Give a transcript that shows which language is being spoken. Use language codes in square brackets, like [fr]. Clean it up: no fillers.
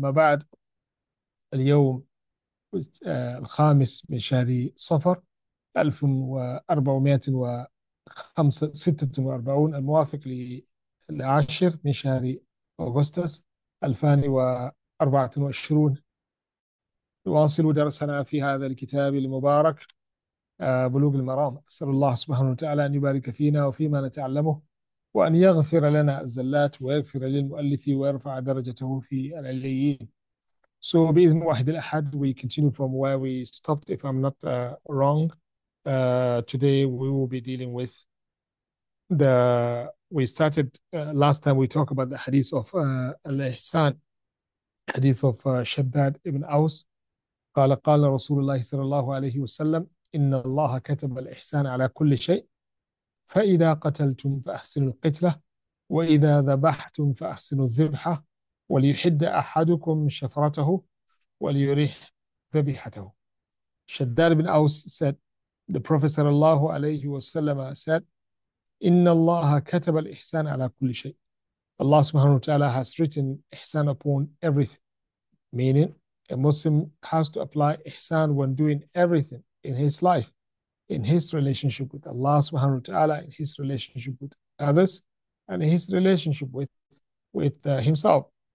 [ar] ما بعد، اليوم الخامس من شهر صفر 1446، الموافق للعاشر من شهر أغسطس 2024. نواصل درسنا في هذا الكتاب المبارك بلوغ المرام. أسأل الله سبحانه وتعالى أن يبارك فينا وفيما نتعلمه، وأن يغفر لنا الزلات ويغفر للمؤلف ويرفع درجته في العليين. [en] So [ar] بإذن واحد الأحد, [en] we continue from where we stopped, if I'm not wrong. Today we will be dealing with the, we started last time we talked about the hadith of Al-Ihsan, hadith of Shaddad ibn Aus. [ar] قال قال رسول الله صلى الله عليه وسلم إن الله كتب الإحسان على كل شيء. فإذا قتلتم فأحسنوا القتلة، وإذا ذبحتم فأحسنوا الذبحة، وليحد أحدكم شفرته وليريح ذبيحته. [en] شداد بن أوس said, the Prophet صلى الله عليه وسلم said, [ar] إن الله كتب الإحسان على كل شيء. [en] Allah سبحانه وتعالى has written إحسان upon everything. Meaning, a Muslim has to apply إحسان when doing everything in his life. In his relationship with Allah subhanahu wa ta'ala, in his relationship with others, and in his relationship with himself.